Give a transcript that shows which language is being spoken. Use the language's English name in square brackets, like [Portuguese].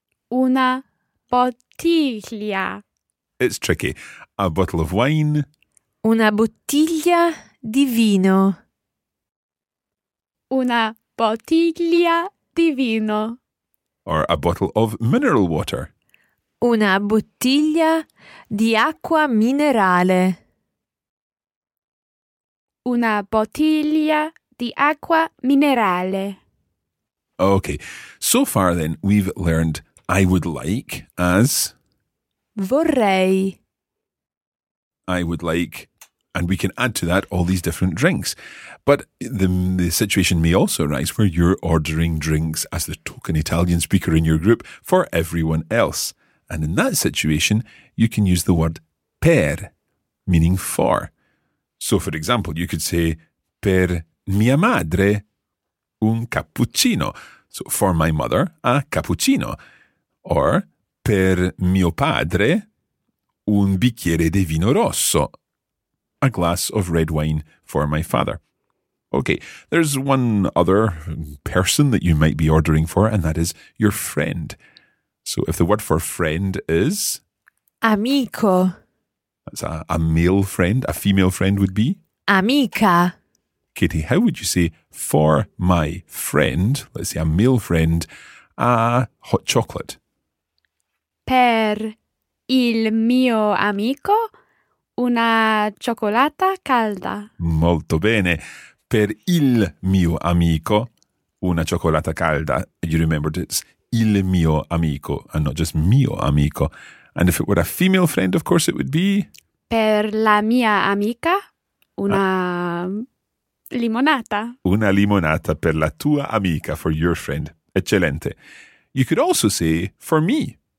[Italian] Una bottiglia. [English] It's tricky. A bottle of wine. [Italian] Una bottiglia di vino. Una bottiglia di vino. [English] Or a bottle of mineral water. [Italian] Una bottiglia di acqua minerale. Una bottiglia di acqua minerale. [English] Okay, so far then we've learned I would like as [Italian] vorrei. [English] I would like, and we can add to that all these different drinks. But the situation may also arise where you're ordering drinks as the token Italian speaker in your group for everyone else. And in that situation, you can use the word per. meaning for. So, for example, you could say, [Italian] per mia madre un cappuccino. [English] So, for my mother, a cappuccino. [Italian] Or, per mio padre un bicchiere di vino rosso. [English] A glass of red wine for my father. Okay, there's one other person that you might be ordering for, and that is your friend. So, if the word for friend is... [Italian] amico. [English] That's a male friend. A female friend would be... [Italian] amica. [English] Katie, how would you say, for my friend, let's say a male friend, a hot chocolate? [Italian] Per il mio amico, una cioccolata calda. Molto bene. Per il mio amico, una cioccolata calda. [English] You remembered it. It's [Italian] il mio amico, [English] and not just mio amico. And if it were a female friend, of course, it would be... [Italian] per la mia amica, una limonata. Una limonata per la tua amica, [English] for your friend. [Italian] Eccellente. [English] You could also say, for me.